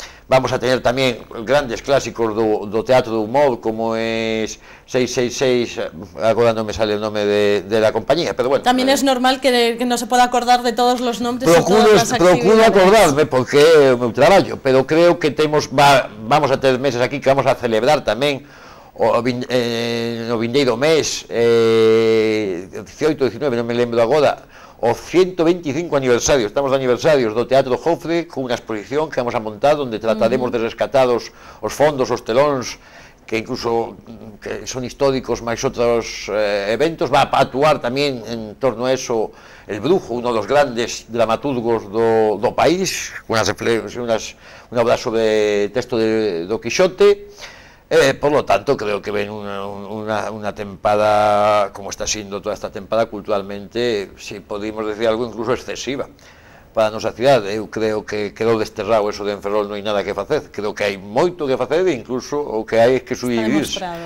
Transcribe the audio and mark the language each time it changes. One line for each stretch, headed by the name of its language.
Spanish: Vamos a tener también grandes clásicos
Galician: do teatro de humor,
Spanish: como es 666, ahora no me sale el nombre de la compañía, pero bueno. También es normal que no se pueda acordar de todos los nombres. Procuro acordarme porque es mi trabajo, pero creo que vamos a tener meses aquí que vamos a celebrar también.
Galician: O vindeiro mes 18, 19, non me lembro agora, o 125 aniversario, estamos de aniversarios do Teatro Jofre, con unha exposición que vamos a montar onde trataremos de rescatar os fondos, os telóns que incluso son históricos, máis outros eventos.
Spanish: Va a actuar
Galician: tamén en torno a eso
Spanish: El Brujo, uno
Galician: dos grandes dramaturgos do país, unha obra sobre texto do Quixote.
Spanish: Por lo tanto, creo que ven una temporada, como está siendo toda esta temporada culturalmente, si podemos decir algo, incluso excesiva para nuestra ciudad. Yo creo que quedó desterrado eso de en Ferrol, no hay nada que hacer. Creo que hay mucho que hacer, incluso,
Galician: o que
Spanish: hay que subdividirse.